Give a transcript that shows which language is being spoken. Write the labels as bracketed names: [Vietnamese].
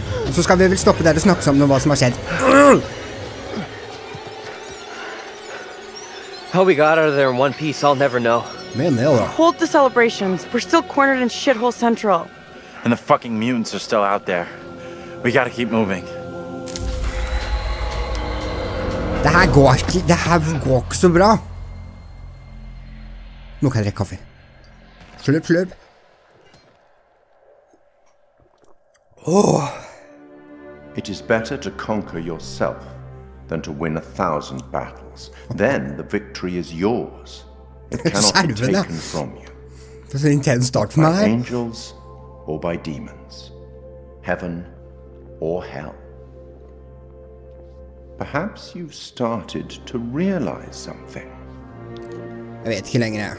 [Norwegian] Så skal vi vel stoppe der og snakke sammen om hva som har skjedd. [English] How we got out of there in one piece, I'll never know. Man, they'll know. Hold the celebrations. We're still cornered in shithole central. And the fucking mutants are still out there. We gotta keep moving. [Norwegian] Det her går ikke så bra. Nå kan jeg drikke kaffe. Slurp. [English] It is better to conquer yourself than to win 1,000 battles. Then the victory is yours. It cannot be taken from you. [Norwegian] Det er så intens start for meg. [English] By angels or by demons. Heaven or hell. Perhaps you've started to realize something. [Norwegian] Jeg vet ikke lenger.